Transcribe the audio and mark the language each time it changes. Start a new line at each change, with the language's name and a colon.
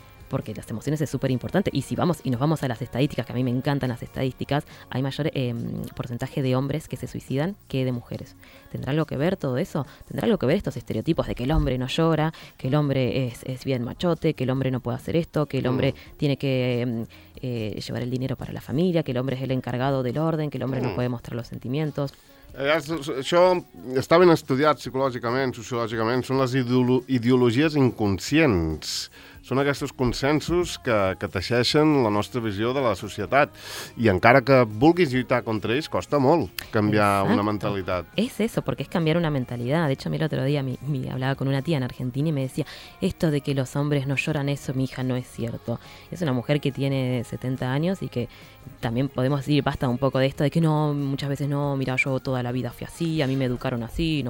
Spanish: Porque las emociones es súper importante. Y si vamos y nos vamos a las estadísticas, que a mí me encantan las estadísticas, hay mayor porcentaje de hombres que se suicidan que de mujeres. ¿Tendrá algo que ver todo eso? ¿Tendrá algo que ver estos estereotipos de que el hombre no llora, que el hombre es bien machote, que el hombre no puede hacer esto, que el hombre tiene que llevar el dinero para la familia, que el hombre es el encargado del orden, que el hombre no puede mostrar los sentimientos?
Catalan: Això està ben estudiat psicològicament, sociològicament. Són les ideologies inconscients. Són aquests consensos que teixeixen la nostra visió de la societat. I encara que vulguis lluitar contra ells, costa molt canviar
Spanish: Exacto.
Catalan: una mentalitat.
Spanish: Es eso, porque es cambiar una mentalidad. De hecho, a mí el otro día me hablaba con una tía en Argentina y me decía, esto de que los hombres no lloran eso, mi hija, no es cierto. Es una mujer que tiene 70 años y que también podemos decir, basta un poco de esto, de que no, muchas veces no, mira, yo toda la vida fui así, a mí me educaron así, no